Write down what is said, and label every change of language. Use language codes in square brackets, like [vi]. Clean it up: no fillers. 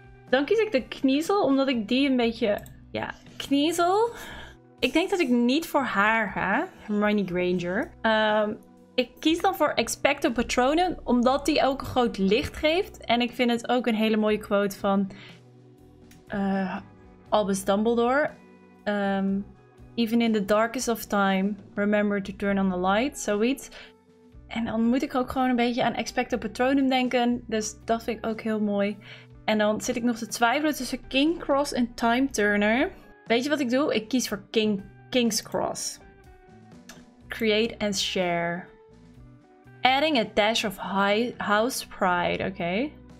[nl] Dan kies ik de kniezel, omdat ik die een beetje... Ja, kniezel. Ik denk dat ik niet voor haar ga. Hermione Granger. Ik kies dan voor Expecto Patronum, omdat die ook een groot licht geeft. En ik vind het ook een hele mooie quote van... Albus Dumbledore. [en] Even in the darkest of time, remember to turn on the light. [nl] Zoiets. En dan moet ik ook gewoon een beetje aan Expecto Patronum denken. Dus dat vind ik ook heel mooi. En dan zit ik nog te twijfelen tussen King Cross en Time Turner. Weet je wat ik doe? Ik kies voor King's Cross. [en] Create and share. Adding a dash of house pride. Oké. Okay.